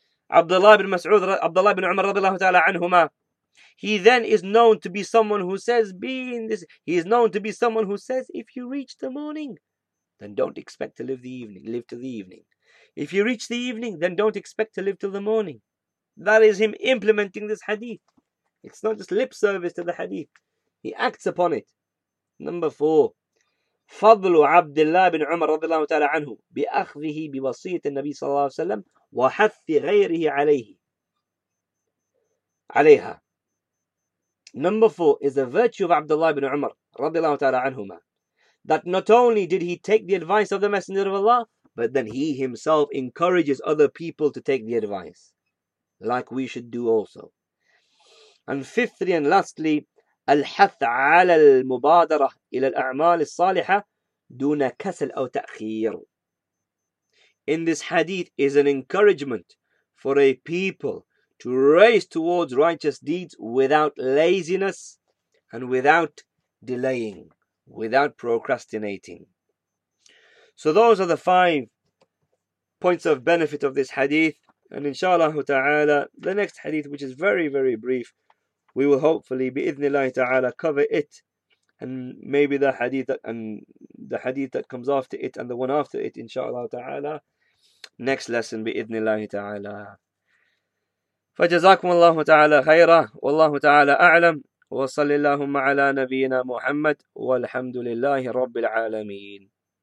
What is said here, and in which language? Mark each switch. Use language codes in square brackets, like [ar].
[en] Abdullah ibn Mas'ud, Abdullah ibn Umar radiallahu ta'ala anhuma, he then is known to be someone who says, if you reach the morning, then don't expect to live till the evening. If you reach the evening, then don't expect to live till the morning. That is him implementing this hadith. It's not just lip service to the hadith. He acts upon it. Number 4. [ar] فضل عبد الله بن عمر رضي الله تعالى عنه بأخذه بوصية النبي صلى الله عليه وسلم وحث غيره عليه عليها. [en] Number 4 is the virtue of Abdullah ibn Umar [ar] رضي الله تعالى عنهما, [en] that not only did he take the advice of the Messenger of Allah, but then he himself encourages other people to take the advice, like we should do also. And fifthly and lastly, [ar] الحث على المبادرة إلى الأعمال الصالحة دون كسل أو تأخير. [en] In this hadith is an encouragement for a people to race towards righteous deeds without laziness and without delaying, without procrastinating. So those are the 5 points of benefit of this hadith. And inshallah ta'ala, the next hadith, which is very, very brief, we will hopefully, bi'idhnillahi ta'ala, cover it. And maybe the hadith that comes after it and the one after it, inshallah ta'ala, next lesson, bi'idhnillahi ta'ala. [ar] فجزاكم الله تعالى خيرا والله تعالى أعلم وصلى اللهم على نبينا محمد والحمد لله رب العالمين